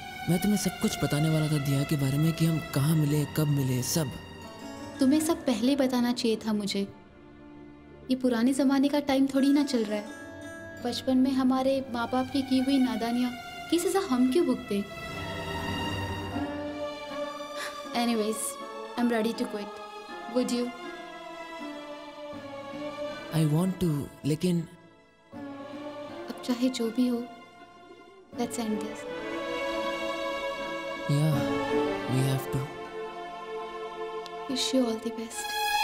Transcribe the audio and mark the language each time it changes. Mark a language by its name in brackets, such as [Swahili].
[Hindi] मैं तुम्हें सब कुछ बताने वाला था दिया के बारे में, कि हम कहाँ मिले, कब मिले, सब. तुम्हें सब पहले बताना चाहिए था मुझे. ये पुराने जमाने का टाइम थोड़ी ना चल रहा है. बचपन में हमारे माँ बाप की हुई नादानियाँ किस सजा हम क्यों भुगते. [English] Anyways, I'm ready to quit. Would you? I want to, [Hindi] लेकिन अब चाहे जो भी हो, [English] let's end this. Yeah, we have to. Wish you all the best.